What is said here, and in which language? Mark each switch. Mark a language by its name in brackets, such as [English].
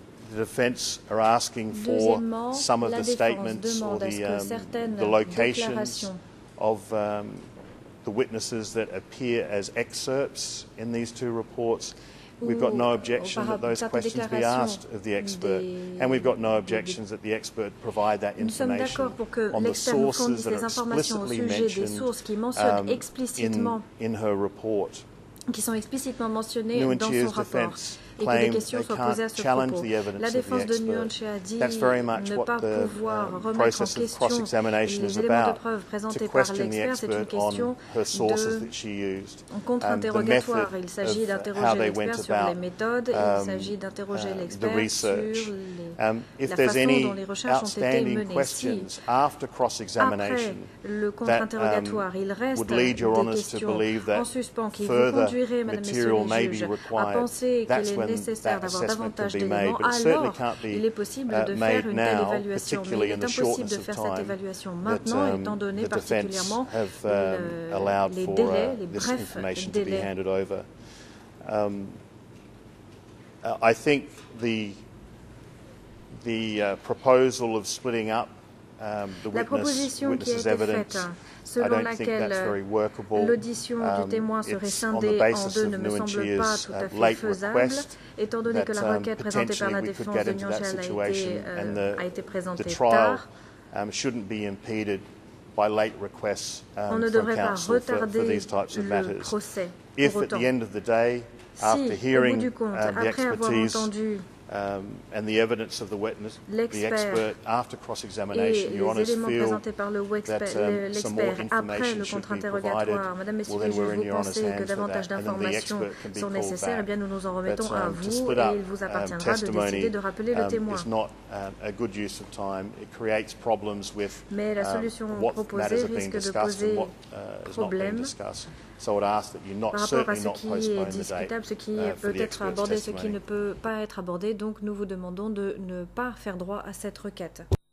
[English] the defence are asking for some of the statements or the locations of the witnesses that appear as excerpts in these two reports. We've got no objection that those questions be asked of the expert, and we've got no objections that the expert provide that information on the sources that are explicitly mentioned in her report. [French] Qui sont explicitement mentionnés dans son rapport et que des questions soient posées à ce propos. La défense de Nguyen Chia a dit ne pas pouvoir remettre en question les éléments de preuve présentés par l'expert. C'est une question de contre-interrogatoire. Il s'agit d'interroger l'expert sur les méthodes et il s'agit d'interroger l'expert sur la façon dont les recherches ont été menées. Si, après le contre-interrogatoire, il reste des questions en suspens qui vous conduiraient, Madame, Monsieur le juge, à penser qu'il est nécessaire d'avoir davantage d'éléments, alors il est possible de faire une telle évaluation, mais il est impossible de faire cette évaluation maintenant, étant donné particulièrement les brefs délais. [English] I think the proposal of splitting up the witness's evidence, [French] selon laquelle l'audition du témoin serait scindée en deux, ne me semble pas tout à fait faisable, étant donné que la requête présentée par la défense de Nguyen Chia a été présentée tard. On ne devrait pas retarder le procès. Pour autant, si, au bout du compte, après avoir entendu [English] And the evidence of the witness, the expert, after cross-examination, Your Honours, feel that some more information should be provided. Well, then we're in Your Honours' hands for that, and then the expert can be called back. But to split up testimony is not a good use of time. It creates problems with what matters are being discussed and what is not being discussed. So I would ask that you not, certainly not postpone the date [French] ce qui peut être abordé, ce qui ne peut pas être abordé, donc nous vous demandons de ne pas faire droit à cette requête.